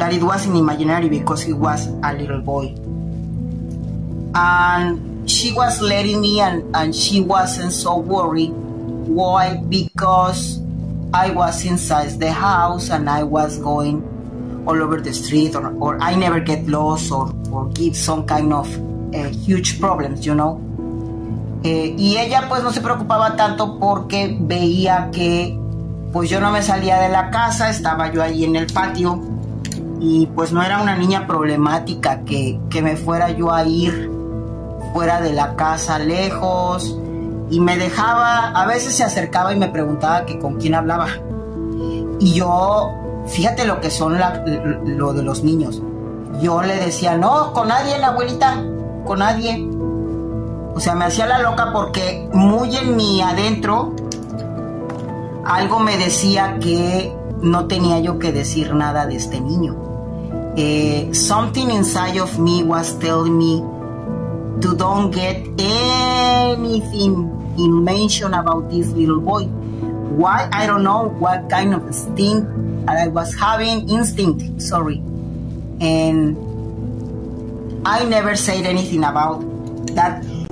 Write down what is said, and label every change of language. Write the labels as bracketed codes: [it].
[en] That it wasn't imaginary because he was a little boy. And she was letting me, and she wasn't so worried. Why? Because I was inside the house and I was going all over the street, or I never get lost or give some kind of huge problems, you know. [es] Y ella pues no se preocupaba tanto porque veía que pues yo no me salía de la casa, estaba yo ahí en el patio, y pues no era una niña problemática que me fuera yo a ir fuera de la casa, lejos, y me dejaba, a veces se acercaba y me preguntaba que con quién hablaba. Y yo, fíjate lo que son lo de los niños, yo le decía, no, con nadie, la abuelita, con nadie. O sea, me hacía la loca porque muy en mi adentro algo me decía que no tenía yo que decir nada de este niño. [en] Something inside of me was telling me to don't get anything in mention about this little boy. Why? I don't know what kind of instinct that I was having, and I never said anything about that.